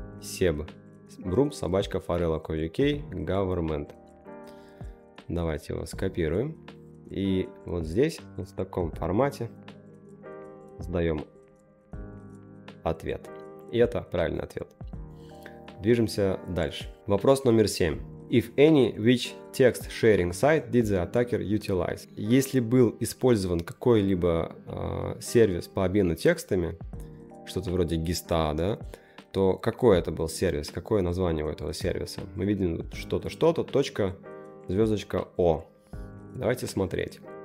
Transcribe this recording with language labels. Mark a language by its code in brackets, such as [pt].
[ru] Seb broom собачка forella.co.uk government. Давайте его скопируем. И вот здесь, вот в таком формате, сдаем ответ. И это правильный ответ. Движемся дальше. Вопрос номер 7. [en] If any, which text sharing site did the attacker utilize? [ru] Если был использован какой-либо сервис по обмену текстами, что-то вроде GISTA, да, то какой это был сервис, какое название у этого сервиса? Мы видим что-то, точка, звездочка, о. Давайте смотреть.